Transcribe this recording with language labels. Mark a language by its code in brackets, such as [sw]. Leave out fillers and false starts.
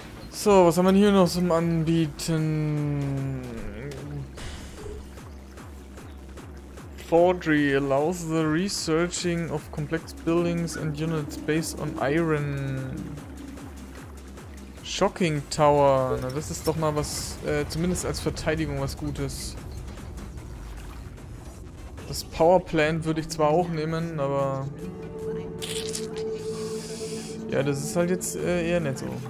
[de] So, was haben wir hier noch zum Anbieten? [en] Forgery allows the researching of complex buildings and units based on iron. Shocking Tower. [de] Na, das ist doch mal was, zumindest als Verteidigung was Gutes. Das Power Plant würde ich zwar auch nehmen, aber... Ja, das ist halt jetzt eher nicht so.